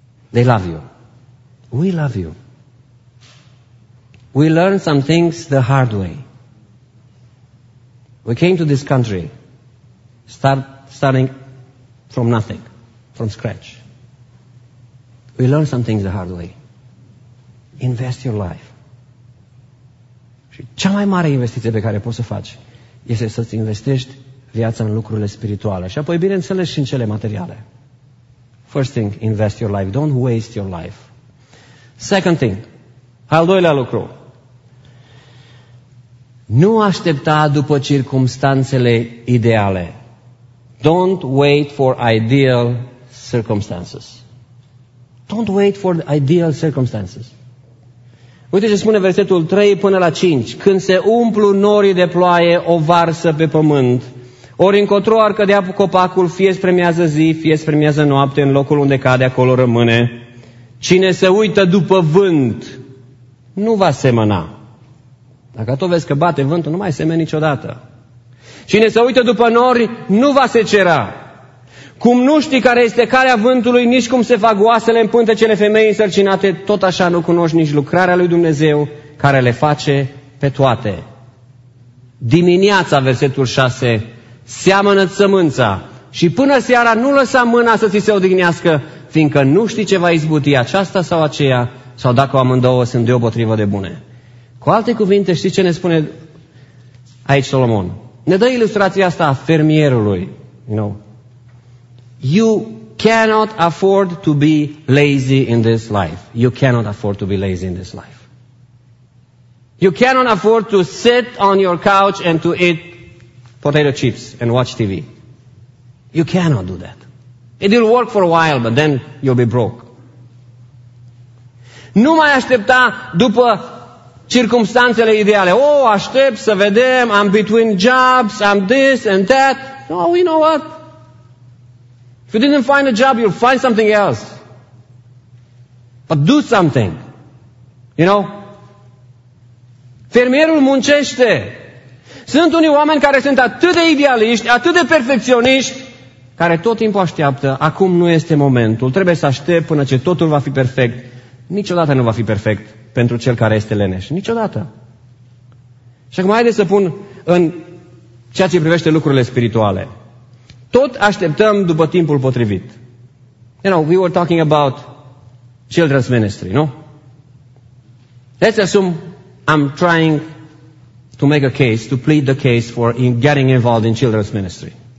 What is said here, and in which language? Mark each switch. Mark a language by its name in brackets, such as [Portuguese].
[English] They love you. We love you. We learned some things the hard way. We came to this country starting from nothing, from scratch. We learned some things the hard way. Invest your life. [Romanian] Și cea mai mare investiție pe care poți să faci este să-ți investești viața în lucrurile spirituale și apoi, bineînțeles, și în cele materiale. [English] First thing, invest your life. Don't waste your life. Second thing, [Romanian] al doilea lucru. Nu aștepta după circumstanțele ideale. [English] Don't wait for ideal circumstances. Don't wait for the ideal circumstances. [Romanian] Uite ce spune versetul 3 până la 5. Când se umplu norii de ploaie, o varsă pe pământ, ori încotro ar cădea copacul, fie spremează zi, fie spremează noapte, în locul unde cade, acolo rămâne. Cine se uită după vânt, nu va semăna. Dacă tot vezi că bate vântul, nu mai semeni niciodată. Cine se uită după nori, nu va secera. Cum nu știi care este calea vântului, nici cum se fac oasele în pântecele femeii însărcinate, tot așa nu cunoști nici lucrarea lui Dumnezeu care le face pe toate. Dimineața, versetul 6, seamănă-ți sămânța și până seara nu lăsa mâna să ți se odihnească, fiindcă nu știi ce va izbuti aceasta sau aceea, sau dacă o amândouă sunt deopotrivă de bune. Cu alte cuvinte, știi ce ne spune aici Solomon? Ne dă ilustrația asta a fermierului. [English] No. You cannot afford to be lazy in this life. You cannot afford to be lazy in this life. You cannot afford to sit on your couch and to eat potato chips and watch TV. You cannot do that. It will work for a while, but then you'll be broke. [Romanian] Nu mai aștepta după circumstanțele ideale. [English] Oh, [Romanian] aștept să vedem, [English] I'm between jobs, I'm this and that. No, you know what? If you didn't find a job, you'll find something else. But do something. You know? [Romanian] Fermierul muncește. Sunt unii oameni care sunt atât de idealiști, atât de perfecționiști, care tot timpul așteaptă, acum nu este momentul, trebuie să aștept până ce totul va fi perfect. Niciodată nu va fi perfect pentru cel care este leneș. Niciodată. Și acum haideți să pun în ceea ce privește lucrurile spirituale. Tot așteptăm după timpul potrivit. [English] You know, we were talking about children's ministry, no? Let's assume I'm trying to make a case, to plead the case for getting involved in children's ministry.